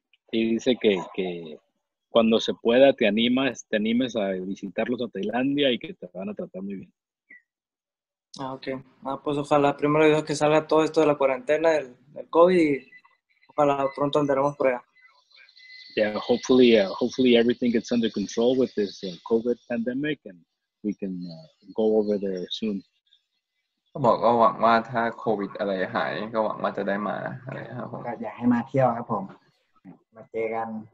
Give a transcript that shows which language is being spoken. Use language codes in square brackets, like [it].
[es] he dice que cuando se pueda te animes a visitarlos a Tailandia y que te van a tratar muy bien. Ah, okay. Ah, pues ojalá primero Dios que salga todo esto de la cuarentena del COVID y ojalá pronto andaremos por allá. [en] Yeah, hopefully everything gets under control with this COVID pandemic and we can go over there soon. [th] ก็บอกก็หวังว่าถ้าโควิดอะไรหายก็หวังว่าจะได้มาอะไรครับผม ก็อยากให้มาเที่ยวครับผมมาเจอกัน